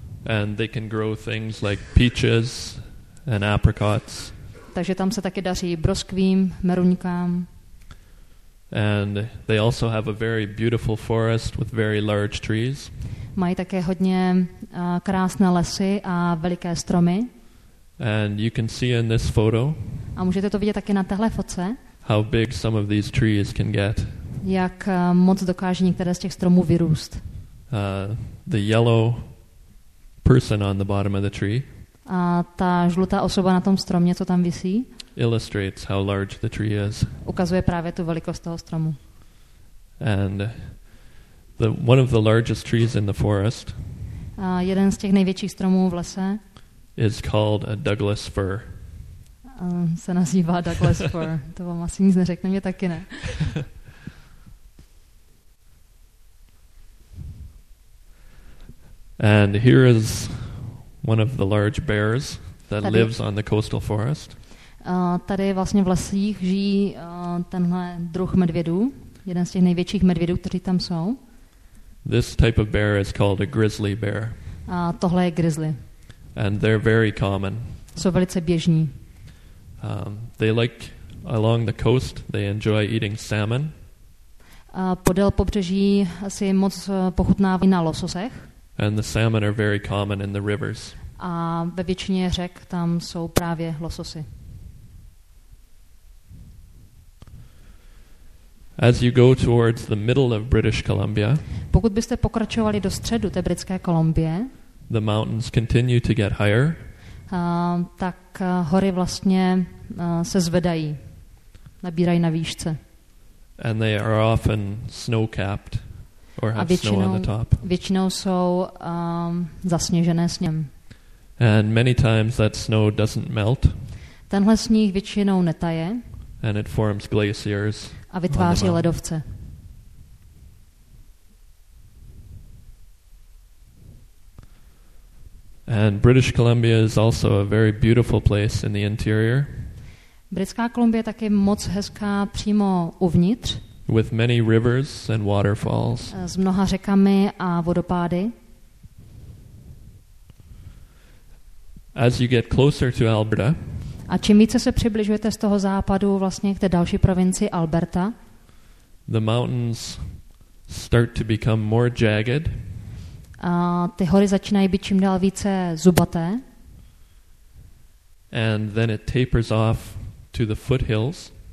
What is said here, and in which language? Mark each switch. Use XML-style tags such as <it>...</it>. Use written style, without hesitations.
<en>And they can grow things like peaches and apricots.</en> <cs>Takže tam se taky daří broskvím, meruňkám.</cs> <en>And they also have a very beautiful forest with very large trees.</en> <cs>Mají také hodně krásné lesy a veliké stromy.</cs> <en>And you can see in this photo.</en> <cs>A můžete to vidět také na téhle fotce.</cs> <en>How big some of these trees can get.</en> <cs>Jak moc dokáže některé z těch stromů vyrůst.</cs> <en>The yellow person on the bottom of the tree.</en> <cs>A ta žlutá osoba na tom stromě, co tam visí,</cs> <en>illustrates how large the tree is.</en> <cs>Ukazuje právě tu velikost toho stromu.</cs> <en>And the one of the largest trees in the forest.</en> <cs>A jeden z těch největších stromů v lese</cs> <en>is called a Douglas fir.</en> <cs>Se nazývá Douglas fir. To vám asi nic neřekne, mě taky ne.</cs> <en>And here is one of the large bears that lives on the coastal forest.</en> <cs>Tady vlastně v lesích žijí tenhle druh medvědů, jeden z těch největších medvědů, kteří tam jsou.</cs> <en>This type of bear is called a grizzly bear.</en> <cs>A tohle je grizzly.</cs> <en>And they're very common.</en> <cs>Jsou velice běžní.</cs> <en>They like along the coast, they enjoy eating salmon.</en> <cs>Podél pobřeží si moc pochutnávají na lososech.</cs> <en>And the salmon are very common in the rivers.</en> <cs>A ve většině řek tam jsou právě lososy.</cs> <en>As you go towards the middle of British Columbia.</en> <cs>Pokud byste pokračovali do středu té Britské Kolumbie.</cs> <en>The mountains continue to get higher.</en> <cs>Tak hory vlastně se zvedají. Nabírají na výšce.</cs> <en>And they are often snow-capped. Or have</en> <cs>a většinou,</cs> <en>snow on the top.</en> <cs>Většinou jsou zasněžené sněm.</cs> <en>And many times that snow doesn't melt.</en> <cs>Tenhle sníh většinou netaje.</cs> <en>And it forms glaciers.</en> <cs>A vytváří ledovce.</cs> <en>And British Columbia is also a very beautiful place in the interior.</en> <cs>Britská Kolumbie je taky moc hezká přímo uvnitř.</cs> <en>With many rivers and waterfalls.</en> <cs>S mnoha řekami a vodopády.</cs> <en>As you get closer to Alberta.</en> <cs>A čím více se přibližujete z toho západu vlastně k té další provincii Alberta.</cs> <en>The mountains start to become more jagged.</en> <cs>A ty hory začínají být čím dál více zubaté.</cs> <en>And then it tapers off to the foothills.</en>